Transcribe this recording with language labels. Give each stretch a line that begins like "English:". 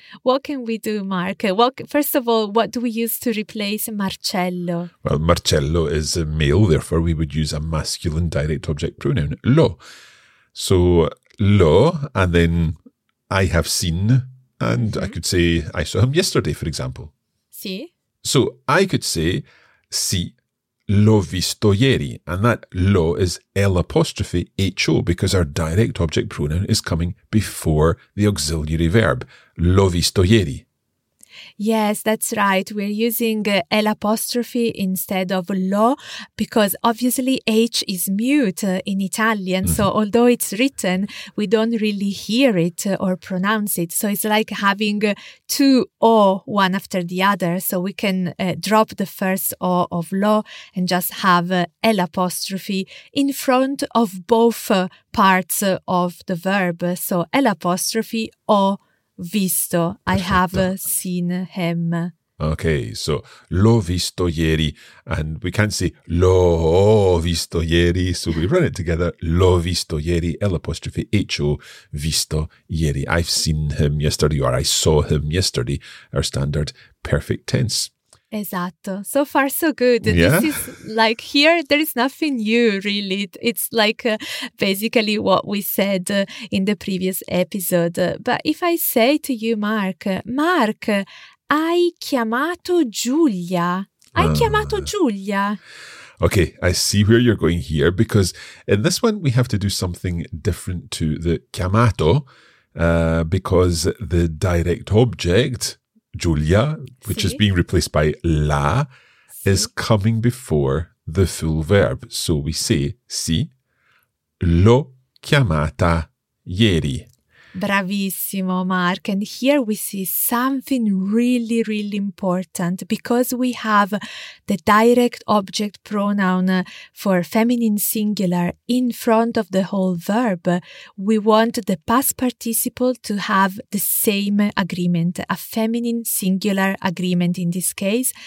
English: What can we do, Mark? First of all, what do we use to replace Marcello? Well, Marcello is a male, therefore we would use a masculine direct object pronoun, lo. So, lo, and then I have seen. And I could say, I saw him yesterday, for example.
Italian: Sì.
English: So I could say,
Italian: sì, l'ho visto ieri.
English: And that lo is L apostrophe H-O, because our direct object pronoun is coming before the auxiliary verb.
Italian: L'ho visto ieri.
English: Yes, that's right. We're using L apostrophe instead of lo, because obviously H is mute in Italian. Mm-hmm. So although it's written, we don't really hear it or pronounce it. So it's like having two O one after the other. So we can drop the first O of lo and just have L apostrophe in front of both parts of the verb. So L apostrophe O. Visto.
Italian: Perfetto.
English: I have seen him. Okay, so
Italian: l'ho visto ieri.
English: And we can't say
Italian: l'ho visto ieri.
English: So we run it together.
Italian: L'ho visto ieri,
English: L apostrophe H-O,
Italian: visto ieri.
English: I've seen him yesterday, or I saw him yesterday. Our standard perfect tense.
Italian: Esatto.
English: So far, so good. Yeah. This is like here, there is nothing new, really. It's like basically what we said in the previous episode. But if I say to you, Mark,
Italian: hai chiamato Giulia? Hai chiamato Giulia?
English: Okay, I see where you're going here, because in this one, we have to do something different to the chiamato, because the direct object Giulia, which is being replaced by la, is coming before the full verb. So we say,
Italian: sì, l'ho chiamata ieri. Bravissimo, Mark.
English: And here we see something really, really important, because we have the direct object pronoun for feminine singular in front of the whole verb. We want the past participle to have the same agreement, a feminine singular agreement in this case.